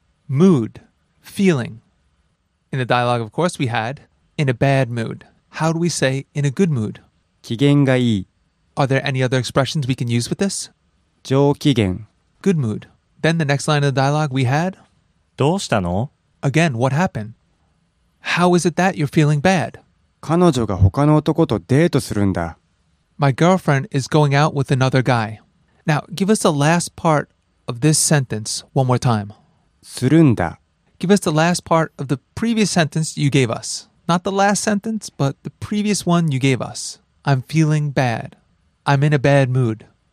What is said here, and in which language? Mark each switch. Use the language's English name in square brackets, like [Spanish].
[English] Mood. Feeling. In the dialogue, of course, we had in a bad mood. How do we say in a good mood? [Japanese] 機嫌がいい。 [English] Are there any other expressions we can use with this? [Japanese] 上機嫌。 [English] Good mood. Then the next line of the dialogue we had? [Japanese] どうしたの? [English] Again, what happened? How is it that you're feeling bad? [Japanese] 彼女が他の男とデートするんだ。 [English] My girlfriend is going out with another guy. Now, give us the last part of this sentence one more time. [Japanese] するんだ。 [English] Give us the last part of the previous sentence you gave us. Not the last sentence, but the previous one you gave us. I'm feeling bad. I'm in a bad mood.